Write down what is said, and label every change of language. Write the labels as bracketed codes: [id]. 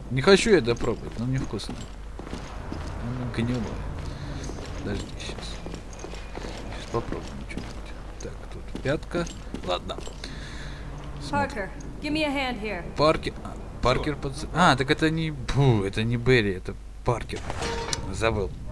[ru] Не хочу это пробовать, но мне вкусно. Гнево. Подожди, сейчас. Сейчас попробуем что-нибудь. Так, тут пятка. Ладно. [en] Паркер, give me a hand here. [ru] Паркер под... А, так это не... Бу, это не Берри, это Паркер. Забыл.